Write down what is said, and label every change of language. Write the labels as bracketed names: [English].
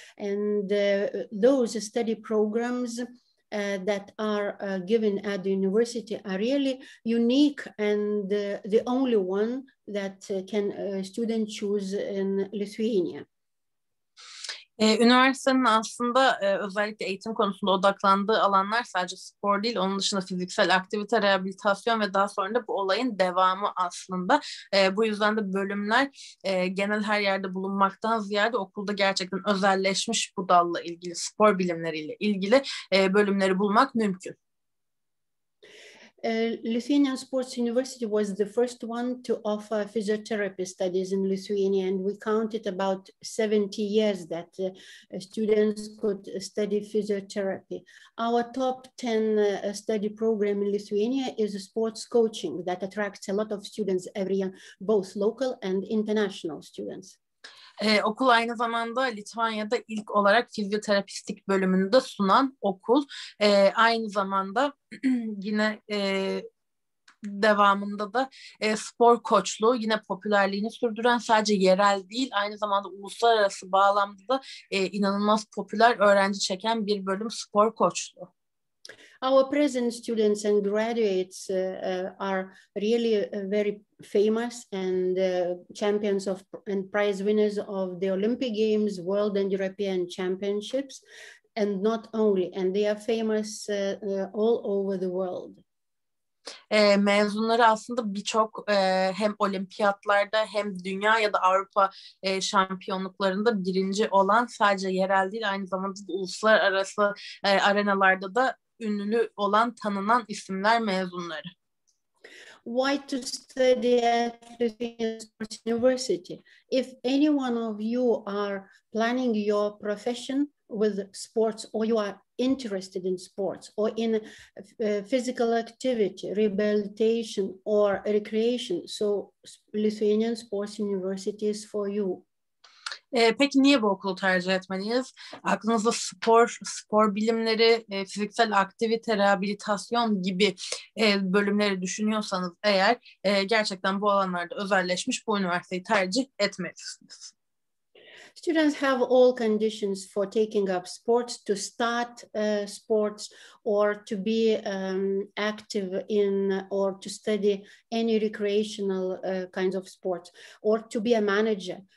[English] And those study programs that are given at the university are really unique and the only one that can a student choose in Lithuania. [Turkish] Üniversitenin aslında özellikle eğitim konusunda odaklandığı alanlar sadece spor değil, onun dışında fiziksel aktivite, rehabilitasyon ve daha sonra da bu olayın devamı aslında. Bu yüzden de bölümler genel her yerde bulunmaktan ziyade okulda gerçekten özelleşmiş bu dalla ilgili, spor bilimleriyle ilgili bölümleri bulmak mümkün. [English] Lithuanian Sports University was the first one to offer physiotherapy studies in Lithuania, and we counted about 70 years that students could study physiotherapy. Our top 10 study program in Lithuania is sports coaching that attracts a lot of students every year, both local and international students. [Turkish] Okul aynı zamanda Litvanya'da ilk olarak fizyoterapistik bölümünü de sunan okul. Aynı zamanda yine devamında da spor koçluğu yine popülerliğini sürdüren, sadece yerel değil aynı zamanda uluslararası bağlamda da inanılmaz popüler, öğrenci çeken bir bölüm spor koçluğu. [English] Our present students and graduates are really very famous and champions of and prize winners of the Olympic Games, World and European Championships, and not only, and they are famous all over the world. [Turkish] Mezunları aslında birçok hem olimpiyatlarda hem dünya ya da Avrupa şampiyonluklarında birinci olan, sadece yerel değil aynı zamanda da uluslararası arenalarda da ünlü olan, tanınan isimler mezunları. [English] Why to study at Lithuanian Sports University? If any one of you are planning your profession with sports, or you are interested in sports or in physical activity, rehabilitation or recreation, so Lithuanian Sports University is for you. [Turkish] Peki niye bu okulu tercih etmeliyiz? Aklınızda spor, spor bilimleri, fiziksel aktivite, rehabilitasyon gibi bölümleri düşünüyorsanız eğer, gerçekten bu alanlarda özelleşmiş bu üniversiteyi tercih etmelisiniz. [English] Students have all conditions for taking up sports, to start sports or to be active in or to study any recreational kinds of sports or to be a manager.